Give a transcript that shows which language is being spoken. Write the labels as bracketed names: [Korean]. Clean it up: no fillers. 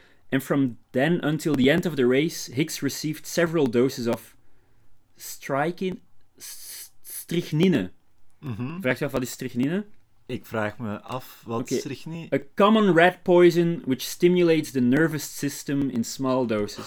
[English] And from then until the end of the race, Hicks received several doses of strychnine. Mm-hmm. [Dutch] Vraag je af, wat is strychnine? Ik vraag me af, wat is strychnine? [English] A common rat poison which stimulates the nervous system in small doses.